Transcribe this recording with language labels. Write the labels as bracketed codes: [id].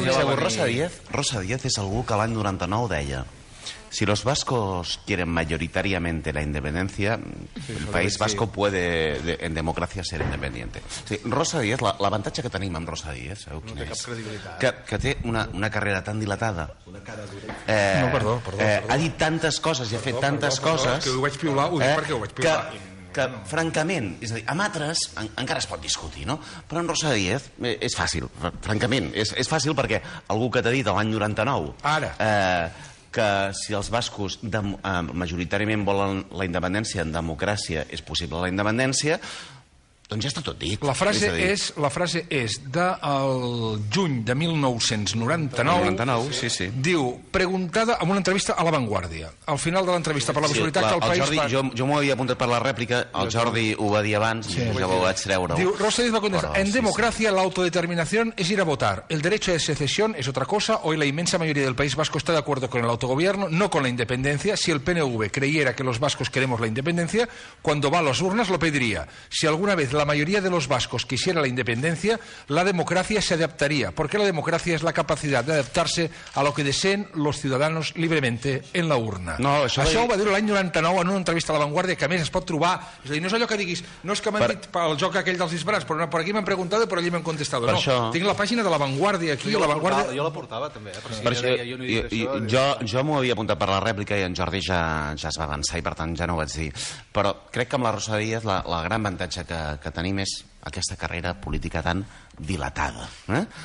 [ca] Però fixeu, Rosa Díez és algú que l'any 99 deia... [es] Si los vascos quieren mayoritariamente la independencia, el país vasco puede en democracia ser independiente. [ca] Sí, Rosa Díez, l'avantatge que tenim amb Rosa Díez, sabeu quina és? Que té una carrera tan dilatada. Una cara dura. No, perdó. Ha dit tantes coses i ha fet tantes coses... Que ho vaig piular, ho dic perquè ho vaig piular. que, francament, és a dir, amb altres encara es pot discutir, no? Però en Rosa Díez és fàcil, francament. És fàcil perquè algú que t'ha dit l'any 99... Ara. Que si els bascos majoritàriament volen la independència, en democràcia és possible la independència, doncs ja està tot dit. La frase és, la frase és del juny de 1999. 99, sí, sí. Diu, preguntada en una entrevista a La Vanguardia. Al final de l'entrevista, per la possibilitat que el país... Jordi, jo m'ho havia apuntat per la rèplica, el Jordi ho va dir abans, sí, ja ho vaig treure. Diu, Rosa Díez va contestar, en democràcia [es] la autodeterminación es ir a votar. El derecho de secesión es otra cosa. Hoy la inmensa mayoría del país vasco está de acuerdo con el autogobierno, no con la independencia. Si el PNV creyera que los vascos queremos la independencia, cuando va a las urnas lo pediría. Si alguna vez la mayoría de los vascos quisiera la independencia, la democracia se adaptaría, porque la democracia es la capacidad de adaptarse a lo que deseen los ciudadanos libremente en la urna. [ca] No, això ho va dir l'any 99 en una entrevista a La Vanguardia, que a més es pot trobar, és a dir, no és allò que diguis, no és que m'han dit pel joc aquell dels disbarats, però no, per aquí m'han preguntat i per allí m'han contestat. No, això... tinc la pàgina de La Vanguardia aquí. Jo la Vanguardia... portava, jo la portava també, per si jo m'ho havia apuntat per la rèplica i en Jordi ja es va avançar i per tant ja no ho vaig dir, però crec que amb la Rosa Díez la gran avantatge que tenim és aquesta carrera política tan dilatada, eh?